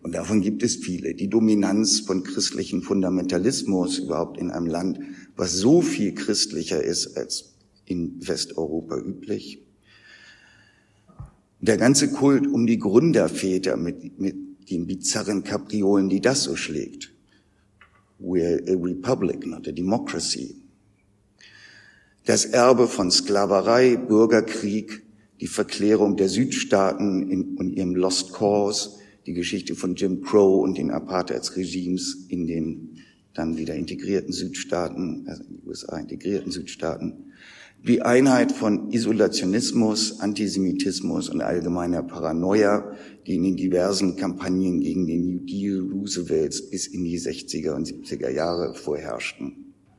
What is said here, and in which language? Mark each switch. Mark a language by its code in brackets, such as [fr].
[de] Und davon gibt es viele. Die Dominanz von christlichem Fundamentalismus überhaupt in einem Land, was so viel christlicher ist als in Westeuropa üblich. Der ganze Kult um die Gründerväter mit den bizarren Kapriolen, die das so schlägt. [en] We're a republic, not a democracy. [de] Das Erbe von Sklaverei, Bürgerkrieg, die Verklärung der Südstaaten in ihrem Lost Cause, die Geschichte von Jim Crow und den Apartheidsregimes in den dann wieder integrierten Südstaaten, also in die USA integrierten Südstaaten, die Einheit von Isolationismus, Antisemitismus und allgemeiner Paranoia, die in den diversen Kampagnen gegen den New Deal Roosevelts bis in die 60er und 70er Jahre vorherrschten.